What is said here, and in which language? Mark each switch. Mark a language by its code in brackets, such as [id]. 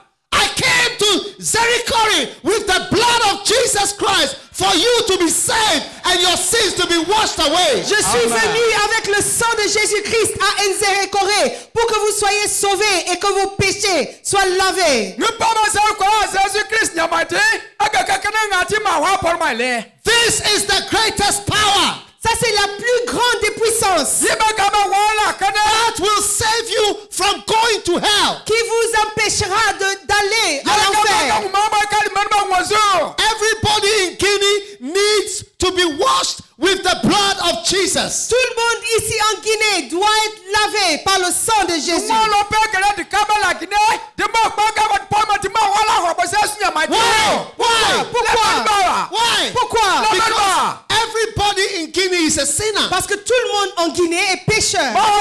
[en] I came to Nzerekore with the blood of Jesus Christ for you to be saved and your sins to be washed away. [fr] Je suis venu avec le sang de Jésus Christ à Nzerekore pour que vous soyez sauvés et que vos péchés soient lavés. Jésus-Christ [en] This is the greatest power. [fr] Ça c'est la plus grande des puissances. [en] That will save you from going to hell. [fr] Qui vous empêchera d'aller à l'enfer. [en] Everybody in Guinea needs to be washed with the blood of Jesus. [fr] Tout le monde ici en Guinée doit être lavé par le sang de Jésus. [en] Why? [fr] Pourquoi? [en] Because everybody in Guinea is a sinner. [fr] Parce que tout le monde en Guinée est pécheur.